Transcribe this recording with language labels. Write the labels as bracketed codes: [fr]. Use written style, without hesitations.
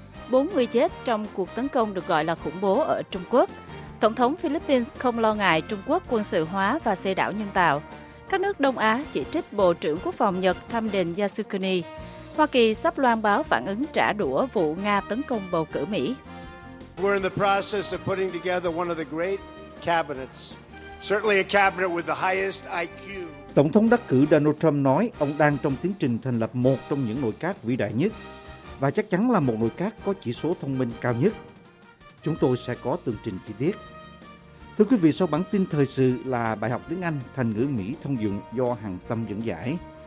[vi] 4 người chết trong cuộc tấn công được gọi là khủng bố ở Trung Quốc. Tổng thống Philippines không lo ngại Trung Quốc quân sự hóa và xây đảo nhân tạo. Các nước Đông Á chỉ trích Bộ trưởng Quốc phòng Nhật Thăm Đình Yasukuni. Hoa Kỳ sắp loan báo phản ứng trả đũa vụ Nga tấn công bầu cử Mỹ. [en] We're in the process of putting together one of the great cabinets, certainly a cabinet with the highest IQ. [vi] Tổng thống đắc cử Donald Trump nói ông đang trong tiến trình thành lập một trong những nội các vĩ đại nhất và chắc chắn là một nội các có chỉ số thông minh cao nhất. Chúng tôi sẽ có tường trình chi tiết. Thưa quý vị, sau bản tin thời sự là bài học tiếng Anh thành ngữ Mỹ thông dụng do Hằng Tâm dẫn giải.